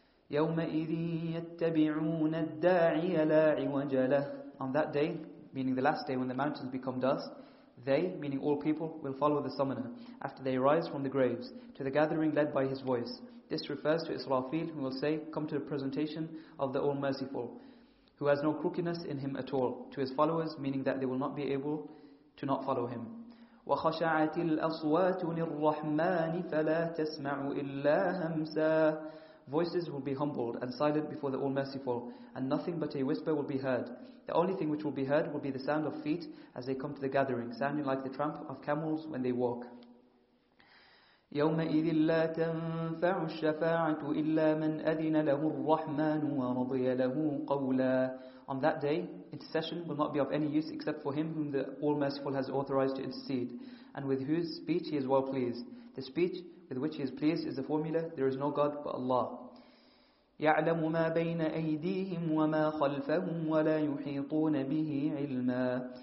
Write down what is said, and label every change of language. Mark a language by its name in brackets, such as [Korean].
[Arabic] يومئذ يتبعون الداعي لا عوج له. [English] On that day, meaning the last day when the mountains become dust, they, meaning all people, will follow the summoner after they arise from the graves to the gathering led by his voice. This refers to Israfil, who will say, come to the presentation of the All-Merciful, who has no crookedness in him at all, to his followers, meaning that they will not be able to not follow him. [Arabic] وخشعت الأصوات للرحمن فلا تسمع إلا همسا. [English] Voices will be humbled and silent before the All-Merciful, and nothing but a whisper will be heard. The only thing which will be heard will be the sound of feet as they come to the gathering, sounding like the tramp of camels when they walk. [Arabic] يومئذ لا تنفع الشفاعة إلا من أذن له الرحمن ورضي له قولا. [English] On that day, intercession will not be of any use except for him whom the All-Merciful has authorized to intercede, and with whose speech he is well pleased. The speech with which he is pleased is the formula, there is no God but Allah. [Arabic] يَعْلَمُ مَا بَيْنَ أَيْدِيهِمْ وَمَا خَلْفَهُمْ وَلَا يُحِيطُونَ بِهِ عِلْمًا.